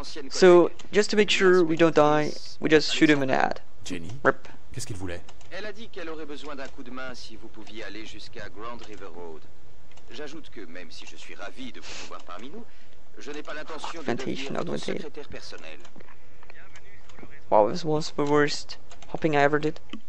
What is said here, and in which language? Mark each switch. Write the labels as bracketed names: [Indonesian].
[English] So just to make sure we don't die, we just shoot him in the head. Jenny. Rip. [French] Qu'est-ce qu'il voulait? Elle a dit qu'elle aurait besoin d'un coup de main si vous pouviez aller jusqu'à Grand River Road. J'ajoute que même si je suis ravi de vous voir parmi nous, je n'ai pas l'intention de devenir votre secrétaire personnel. [English] Wow, this was the worst hopping I ever did.